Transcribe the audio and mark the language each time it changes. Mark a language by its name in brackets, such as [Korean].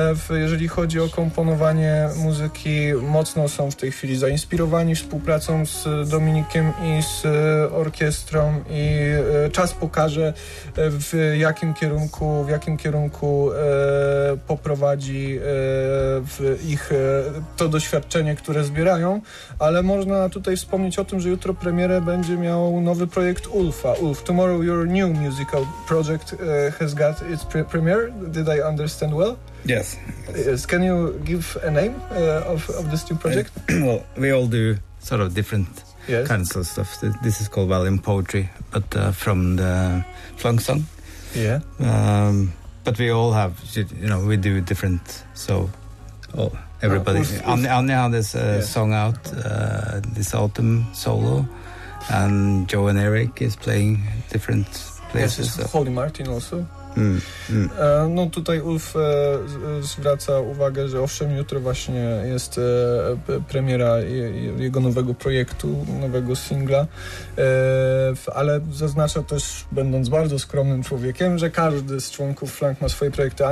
[Polish] Jeżeli chodzi o komponowanie muzyki, mocno są w tej chwili zainspirowani współpracą z Dominikiem i z orkiestrą i czas pokaże, w jakim kierunku poprowadzi ich to doświadczenie, które zbierają, ale można tutaj wspomnieć o tym, że jutro premierę będzie miał nowy projekt Ulfa. [English] Ulf, tomorrow your new musical project has got its premiere. Did I understand well? Yes. Yes. Can you give a name of this new project? Well, we all do sort of different kinds of stuff. This is called Valium Poetry, but from the Flung Song. Yeah. But we all have, you know, we do different. So, everybody. Anne had this song out this autumn solo, and Joe and Eric is playing different places. Yes, so. Holy Martin also. [Polish] No tutaj Ulf zwraca uwagę, że owszem, jutro właśnie jest premiera jego nowego projektu, nowego singla, ale zaznacza też, będąc bardzo skromnym człowiekiem, że każdy z członków Flank ma swoje projekty.